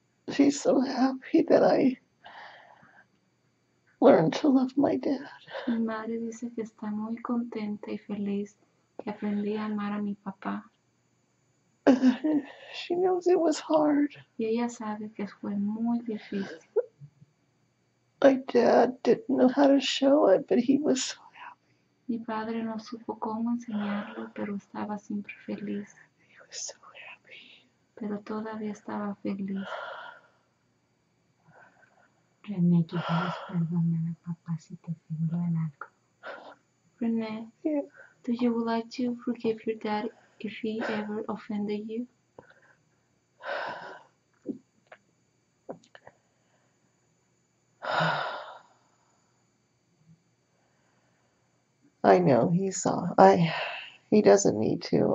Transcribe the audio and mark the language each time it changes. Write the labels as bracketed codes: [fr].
[en] she's so happy that I learned to love my dad. [es] Mi madre dice que está muy contenta y feliz que aprendí a amar a mi papá. [en] She knows it was hard. [es] Y ella sabe que fue muy difícil. [en] My dad didn't know how to show it, but he was so. [es] Mi padre no supo cómo enseñarlo, pero estaba siempre feliz. [en] He was so happy. [es] Pero todavía estaba feliz. René, ¿quieres perdonar a papá si te ofendió en algo? René, [en] yeah. Do you would like to forgive your dad if he ever offended you? I know he saw. He doesn't need to.